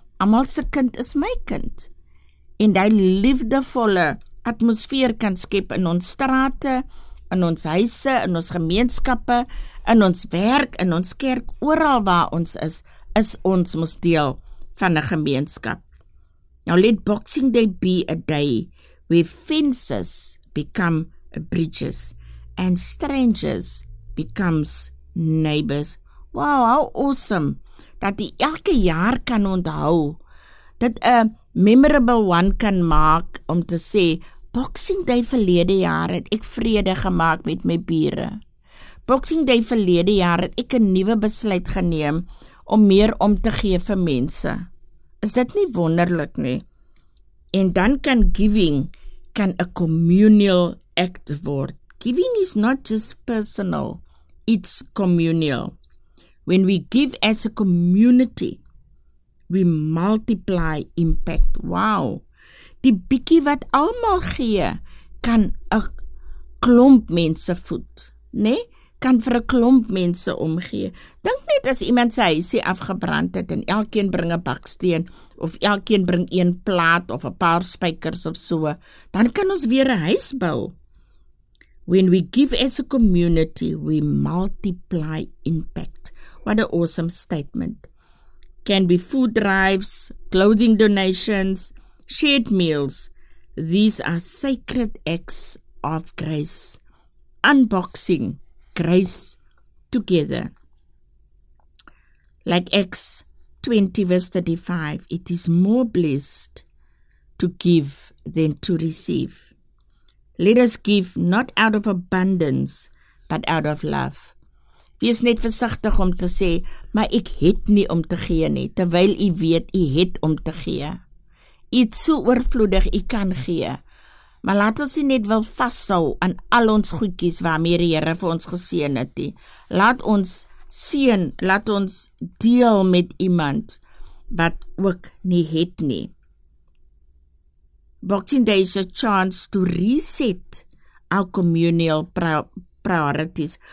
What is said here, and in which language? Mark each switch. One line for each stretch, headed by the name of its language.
Afrikaans: Almal se kind is my kind. En die liefdevolle atmosfeer kan skep in ons strate, in ons huise, in ons gemeenskappe, in ons werk, in ons kerk, oral waar ons is, is ons mos deel van 'n gemeenskap.
English: Now let Boxing Day be a day where fences become bridges and strangers becomes neighbors. Wow, how awesome
Afrikaans: dat jy elke jaar kan onthou, dat 'n
English: memorable one
Afrikaans: kan maak om te sê, Boxing Day verlede jaar het ek vrede gemaak met my bure. Boxing Day verlede jaar het ek 'n nuwe besluit geneem om meer om te gee vir mense. Is dit nie wonderlik nie? En dan kan giving, kan
English: a communal act
Afrikaans: word.
English: Giving is not just personal, it's communal. When we give as a community, we multiply impact.
Afrikaans: Wow! Die bietjie wat almal gee, kan a klomp mense voed, nee? Kan vir 'n klomp mense omgee. Dink net as iemand sy huisie afgebrand het en elkeen bring 'n baksteen of elkeen bring 'n plaat of 'n paar spykers of so, dan kan ons weer 'n huis bou.
English: When we give as a community, we multiply impact. What an awesome statement. Can be food drives, clothing donations, shared meals. These are sacred acts of grace. Unboxing grace together. Like Acts 20 verse 35, it is more blessed to give than to receive. Let us give not out of abundance, but out of love.
Afrikaans: Wees net versigtig om te sê, maar ek het nie om te gee nie, terwyl u weet, u het om te gee. U het so oorvloedig, u kan gee. Maar laat ons nie net wil vashou aan al ons goedjies waarmee die Here vir ons geseën het nie. Laat ons seën, laat ons deel met iemand wat ook nie het nie.
English: Boxing Day is a chance to reset our communal priorities.